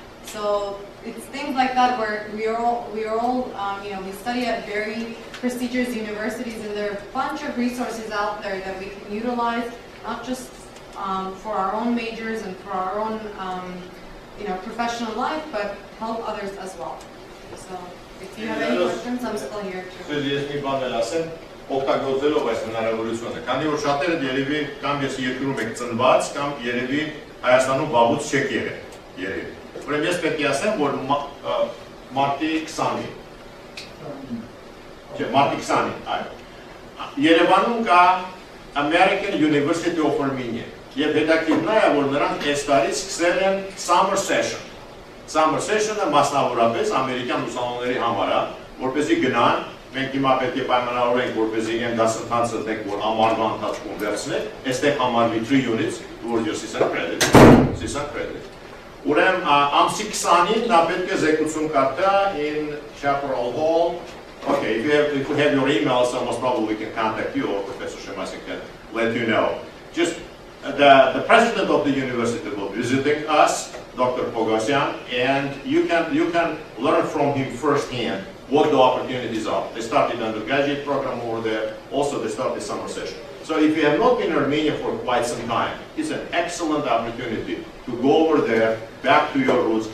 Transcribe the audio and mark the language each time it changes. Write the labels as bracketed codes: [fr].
[en] So it's things like that where we are all you know, we study at very prestigious universities and there are a bunch of resources out there that we can utilize, not just for our own majors and for our own you know, professional life, but help others as well. So if you have any questions, I'm still here too. [hy] So yes, Ivan, օգտագործելով այս հնարավորությունը, քանի որ շատերը երևի կամ ես երկրում եք ծնված կամ երևի Հայաստանում վաղուց չեք եղել, երևի։ Ուրեմն ես պետք է ասեմ, որ մարտի 20-ի, չէ, մարտի 20-ի, այո, Երևանում կա American University of Armenia, եւ հետաքրքիրնա է, որ նրանք այս տարի սկսել են summer session, summer session-ը մասնավորապես ամերիկյան ուսանողների համար է, որպեսզի գնան, մենք հիմա պետք է պայմանավորենք, որպեսզի իրենք դասընթացը տեք, որ ամառվա ընթացքում վերցնեն, այստեղ համարվի 3 units, որ ես սիսակ credit, [en] սիսակ credit։ Ուրեմ, ամսի 20-ին նա պետք է զեկուցում կարտա in chapel hall, okay, if you have your email, so most probably we can contact you, or Professor Shemasi can let you know. Just the president of the university will be visiting us, Dr. Pogosyan, and you can learn from him firsthand what the opportunities are. They started an undergraduate program over there. Also, they started the summer session. So if you have not been in Armenia for quite some time, it's an excellent opportunity to go over there, back to your roots.